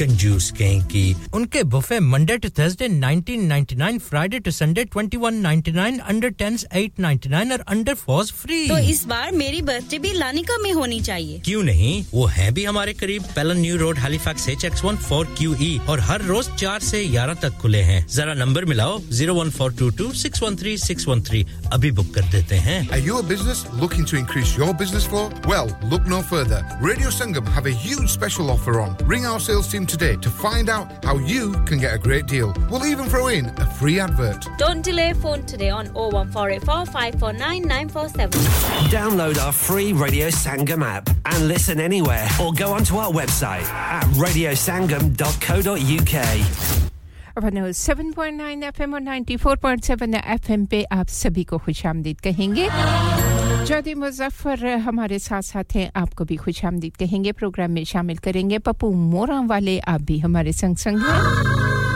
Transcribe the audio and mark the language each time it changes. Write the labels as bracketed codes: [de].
[hi] कंजूस कहेंगी उनके buffet Monday to Thursday 19.99 Friday to Sunday 21.99 under 10s 8.99 और अंडर 4s फ्री तो इस बार मेरी बर्थडे भी लानिका में होनी चाहिए क्यों नहीं वो हैं भी हमारे करीब पेलन new road Halifax HX1 4QE और हर रोज 4 से 11 तक खुले हैं जरा नंबर मिलाओ 01422613613 अभी बुक कर देते हैं [en] Are you a business looking to increase your business flow? Well, look no further. Radio Sangam have a huge special offer on. Ring our sales team today to find out how you can get a great deal. We'll even throw in a free advert. Don't delay phone today on 01484549947. Download our free Radio Sangam app and listen anywhere or go onto our website. At radiosangam.co.uk [hi] 107.9 FM और 94.7 FM पे आप सभी को खुशामदीद कहेंगे जॉदी मुजफ्फर हमारे साथ साथ हैं आपको भी खुशामदीद कहेंगे प्रोग्राम में शामिल करेंगे पप्पू मोरां वाले आप भी हमारे संग संग हैं